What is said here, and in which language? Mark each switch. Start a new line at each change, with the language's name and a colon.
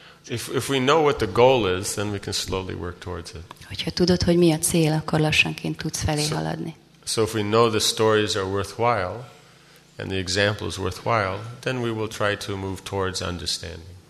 English: If we know what the goal is, then we can slowly work towards it.
Hungarian: Hogyha tudod, hogy mi a cél, akkor lassanként tudsz felé haladni.
English: So if we know the stories are worthwhile and the example is worthwhile, then we will try to move towards understanding.